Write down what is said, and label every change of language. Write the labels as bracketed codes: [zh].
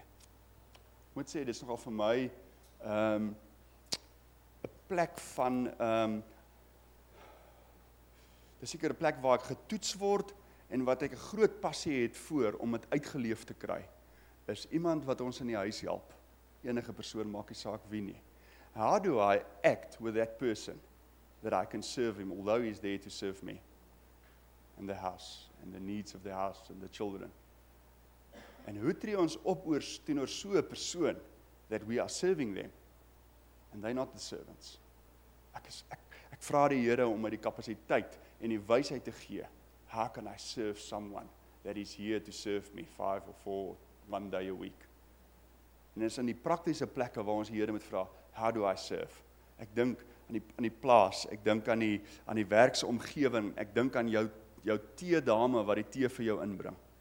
[af] Ek moet sê, dis nogal vir my 'n plek van, dis seker 'n plek waar ek getoets word en wat ek 'n groot passie het voor om dit uitgeleef te kry. Is iemand wat ons in die huis help. Enige persoon, maak nie saak wie nie. [en] How do I act with that person that I can serve him, although he's there to serve me in the house, and the needs of the house and the children? [af] En hoe tree ons op oor teenoor so 'n persoon [en] that we are serving them and they're not the servants? [af] Ek vra die Here om my die kapasiteit en die wysheid te gee. [en] How can I serve someone that is here to serve me 5 or 4 one day a week? [af] En dis in die praktiese plekke waar ons die Here moet vra, [en] how do I serve? [af] Ek dink aan die plaas, ek dink aan die werksomgewing, ek dink aan jou tee dame wat die tee vir jou inbring.